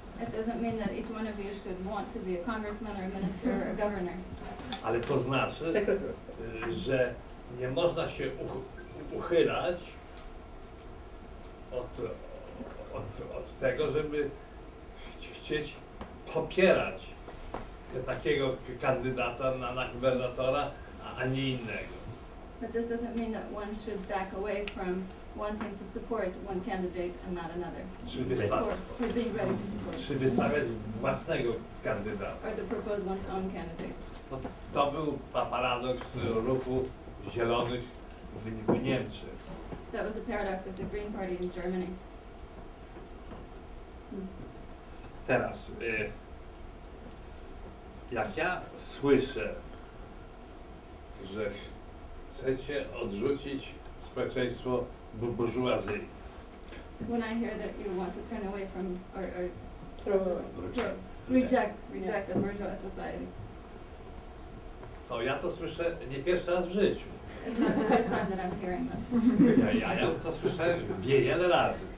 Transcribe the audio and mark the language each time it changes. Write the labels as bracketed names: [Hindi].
[English] It doesn't mean that each one of you should want to be a congressman or a minister or a governor. [Polish] Ale to znaczy, że nie można się uchylać od tego, żeby chcieć popierać takiego kandydata na gubernatora, a nie innego. [English] But this doesn't mean that one should back away from wanting to support one candidate and not another. Should be ready to support. Should [Polish] wystawiać własnego kandydata. [English] Or to propose one's own candidates. [Polish] To był paradoks ruchu zielonych w Niemczech. [English] That was the paradox of the Green Party in Germany. [Polish] Teraz, jak ja słyszę, że chcecie odrzucić społeczeństwo burżuazyjne. [English] When I hear that you want to turn away from or throw away, reject the bourgeois society. [Polish] To ja to słyszę nie pierwszy raz w życiu. [English] It's not the first time that I'm hearing this. [Polish] Ja to słyszałem wiele razy.